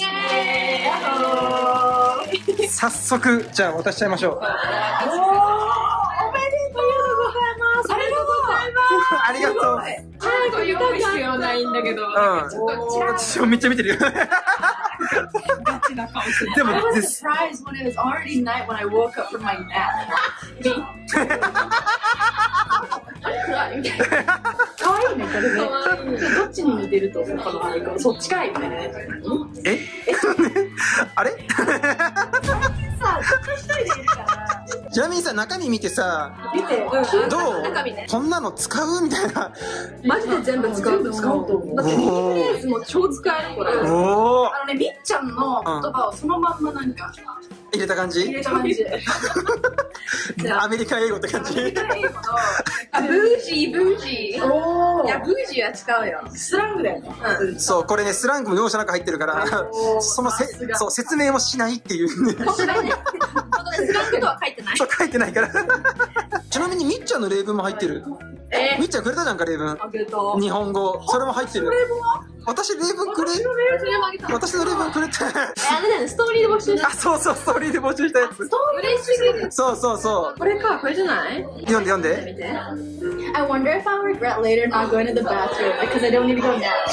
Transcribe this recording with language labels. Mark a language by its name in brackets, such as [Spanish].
[English] イエーイ、ハロー。 [Japanese] 早速じゃあ渡しちゃいましょう。おー、おめでとうございます。ありがとうございます。ありがとう。ちゃんと読む必要ないんだけど、うん、ちょっと違う、私もめっちゃ見てるよ。でも、 [English] I was surprised when it was already night when I woke up from my nap. Me? [Japanese] かわいいね、これね。どっちに似てると思うかな、そっちかいね。え？あれ？ジャミーさん中身見てさ、見て、うん、どう、中身、ね、こんなの使うみたいな。マジで全部使う、全部使うと思う。だってニックネームも超使えるこれ。おー、あのね、みっちゃんの言葉をそのまんま何か、うん、入れた感じ、入れた感じ。アメリカ英語って感じ。アメリカ英語のブージー、ブージー。おー、いや、ブージーは使うよ、スラングだよ、うん、そう、これね、スラングも容赦なく入ってるから、そのそう、説明もしないっていうね。スラングとは書いてない、書いてないから。ちなみにみっちゃんの例文も入ってる、みっちゃんくれたじゃんか、例文日本語、それも入ってる。例文は、私例文くれ、私の例文くれた。あれだね、ストーリーで募集した。あ、そうそう、ストーリーで募集したやつ。ストーリー、嬉しい。そうそうそう、これか、これじゃない。読んで読んで。 [English] I wonder if I'll regret later not going to the bathroom because I don't need to go now.